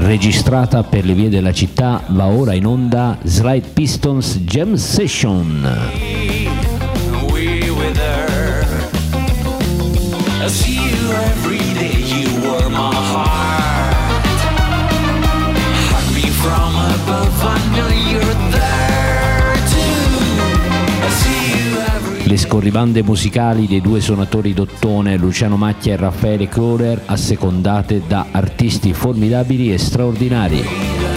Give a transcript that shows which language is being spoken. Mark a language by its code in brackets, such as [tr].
[it] Registrata per le vie della città, va ora in onda Slide Pistons Jam Session. [en] I see you every day, you were my heart. Hug me from above, I know you're there too. I see you every day. [it] Le scorribande musicali dei due suonatori d'ottone, Luciano Macchia e Raffaele Kohler, assecondate da artisti formidabili e straordinari.